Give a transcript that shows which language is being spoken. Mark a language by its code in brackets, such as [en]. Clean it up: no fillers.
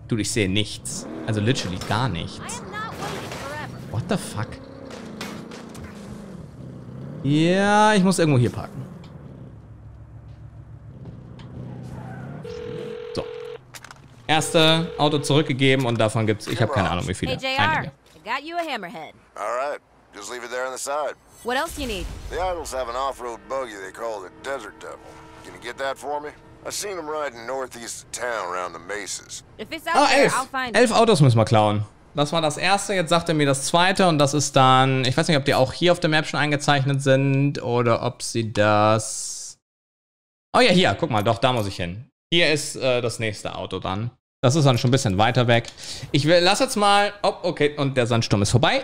[de] Dude, ich sehe nichts. Also literally gar nichts. [en] What the fuck? [de] Ja, ich muss irgendwo hier parken. So. Erste Auto zurückgegeben und davon gibt's, ich habe keine Ahnung, wie viele. [en] Hey JR, I got you a hammerhead. All right, just leave it there on the side. What else you need? The idols have an off-road buggy they call the Desert Devil. Can you get that for me? I seen them riding northeast of town around the mesas. If it's out there, I'll find it. [de] Elf Autos müssen wir klauen. Das war das erste, jetzt sagt er mir das zweite und das ist dann, ich weiß nicht, ob die auch hier auf der Map schon eingezeichnet sind oder ob sie das... Oh ja, hier, guck mal, doch, da muss ich hin. Hier ist das nächste Auto dann. Das ist dann schon ein bisschen weiter weg. Ich will, lass jetzt mal, oh, okay, und der Sandsturm ist vorbei.